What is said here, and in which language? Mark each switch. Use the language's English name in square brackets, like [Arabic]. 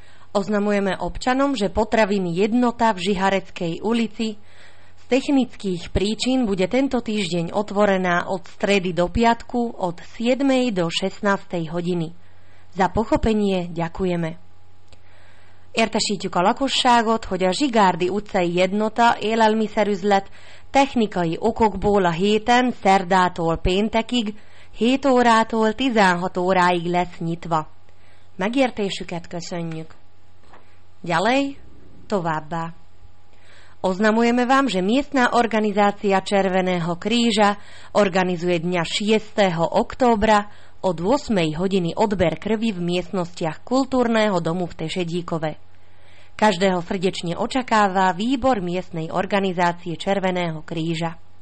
[Slovak] Oznamujeme občanom, že potraviny jednota v Žihareckej ulici z technických príčin bude tento týždeň otvorená od stredy do piatku od 7. do 16. hodiny. Za pochopenie ďakujeme. [Hungarian] Értesítjük a lakosságot, hogy a Zsigárdi utcai jednota élelmiszerüzlet technikai okokból a héten szerdától péntekig 7 órától 16 óráig lesz nyitva. Megértésüket köszönjük. [Slovak] Ďalej, [Hungarian] továbbá. [Slovak] Oznamujeme vám, že miestna organizácia Červeného kríža organizuje dňa 6. októbra od 8. hodiny odber krvi v miestnostiach kultúrneho domu v Tešedíkove. Každého srdečne očakáva výbor miestnej organizácie Červeného kríža.